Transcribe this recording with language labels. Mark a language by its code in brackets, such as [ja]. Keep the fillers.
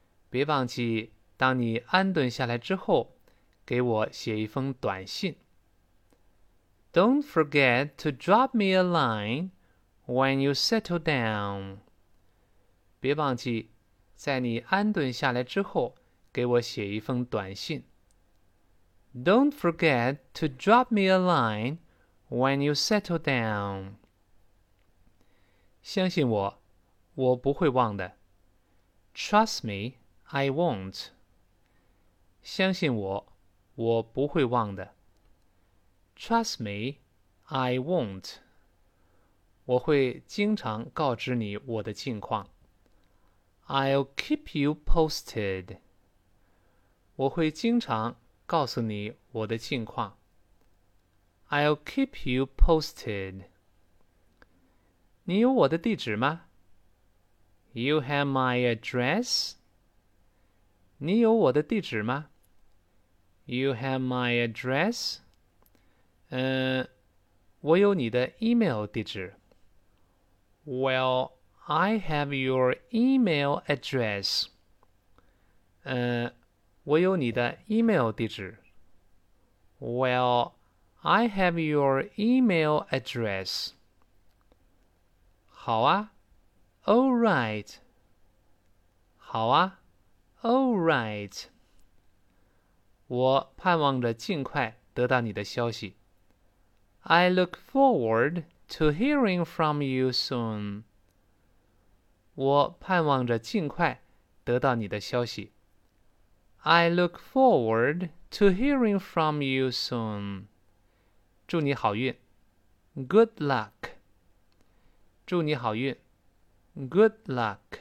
[zh] 别忘记，当你安顿下来之后，给我写一封短信。 [en] Don't forget to drop me a line when you settle down. [zh] 别忘记，在你安顿下来之后，给我写一封短信。 [en] Don't forget to drop me a line when you settle down. [zh] 相信我，我不会忘的。 [en] Trust me, I won't. [zh] 相信我，我不会忘的。 [en] Trust me, I won't. [zh] 我会经常告知你我的近况。 [en] I'll keep you posted. [zh] 我会经常告诉你我的近况。 [en] I'll keep you posted. [zh] 你有我的地址吗？ [en] You have my address. [zh] 你有我的地址吗？ [en] You have my address. [zh] 嗯，我有你的 email 地址。 [en] Well, I have your email address. [zh] 嗯，我有你的 email 地址。 [en] Well, I have your email address. [zh] 好啊， [en] All right. [zh] 好啊，All right. 我盼望着尽快得到你的消息。 [en] I look forward to hearing from you soon. [zh] 我盼望着尽快得到你的消息。 [en] I look forward to hearing from you soon. [zh] 祝你好运， [en] Good luck. [zh] 祝你好运，Good luck.